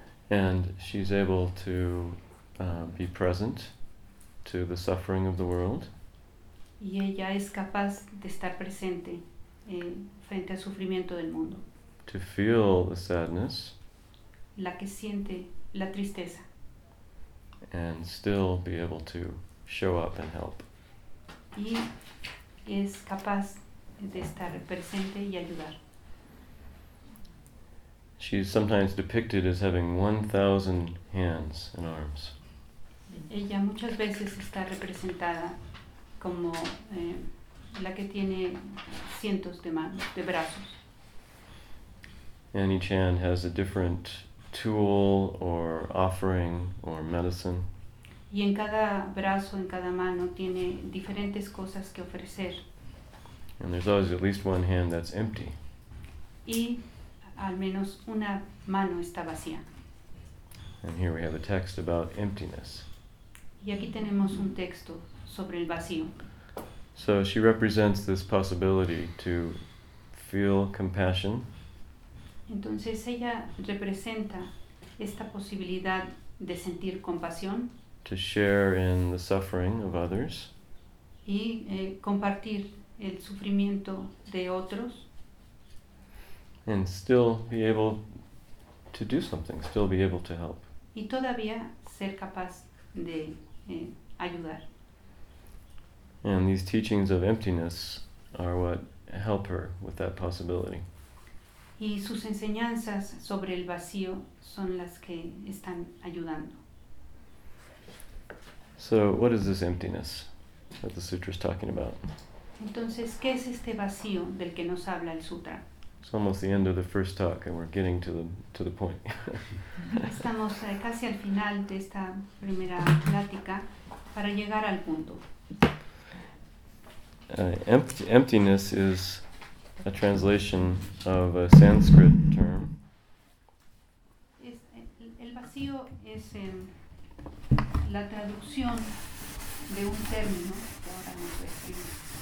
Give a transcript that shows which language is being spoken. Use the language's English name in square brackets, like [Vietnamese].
[English] And she's able to be present to the suffering of the world. [Spanish] Y ella es capaz de estar presente frente al sufrimiento del mundo. [English] To feel the sadness. [Spanish] La que siente la tristeza. [English] And still be able to show up and help. [Spanish] Y es capaz de estar presente y ayudar. [English] She's sometimes depicted as having 1,000 hands and arms. [Spanish] Ella muchas veces está representada como la que tiene cientos de manos, de brazos. [English] Annie Chan has a different tool or offering or medicine. [Spanish] Y en cada brazo, en cada mano, tiene diferentes cosas que ofrecer. [English] And there's always at least one hand that's empty. [Spanish] Y al menos una mano está vacía. [English] And here we have a text about emptiness. [Spanish] Y aquí tenemos un texto sobre el vacío. [English] So she represents this possibility to feel compassion. [Spanish] Entonces ella representa esta posibilidad de sentir compasión. [English] To share in the suffering of others. [Spanish] Y compartir el sufrimiento de otros. [English] And still be able to do something, still be able to help. [Spanish] Y todavía ser capaz de ayudar. [English] And these teachings of emptiness are what help her with that possibility. [Spanish] Y sus enseñanzas sobre el vacío son las que están ayudando. [English] So, what is this emptiness that the sutra is talking about? [Spanish] Entonces, ¿qué es este vacío del que nos habla el sutra? [English] It's almost the end of the first talk, and we're getting to the point. [Spanish] Estamos casi al final de esta primera plática para llegar al punto. [English] Emptiness is a translation of a Sanskrit term. [Spanish] El vacío es la traducción de un término que ahora no puedo escribir.